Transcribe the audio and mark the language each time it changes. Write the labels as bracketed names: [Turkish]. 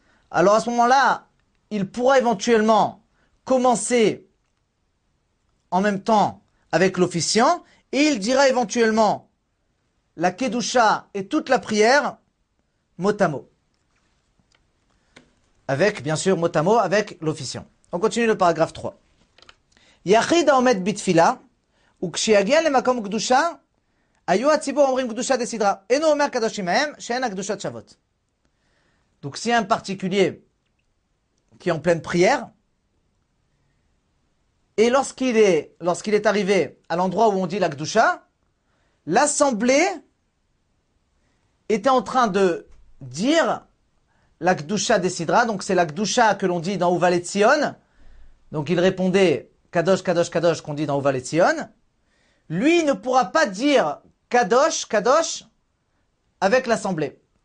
[French] Alors à ce moment-là, il pourra éventuellement commencer en même temps avec l'officiant, et il dira éventuellement la Kedusha et toute la prière, mot à mot. Avec, bien sûr, mot à mot, avec l'officiant. On continue le paragraphe 3. [Hebrew] יחיד העומד בתפילה, וכשיגיע למקום קדושה, היו הציבור אומרים קדושה דסדרה. אינו אומר קדושים מהם, שאין הקדושות שוות. [French] Donc si un particulier qui est en pleine prière, et lorsqu'il est arrivé à l'endroit où on dit la קדושה, l'assemblée était en train de dire la קדושה דסדרה, donc c'est la קדושה que l'on dit dans Ouvale Tzion, donc il répondait Kadosh, Kadosh, Kadosh, qu'on dit dans Ouvale Tzion, lui ne pourra pas dire Kadosh, Kadosh avec l'assemblée.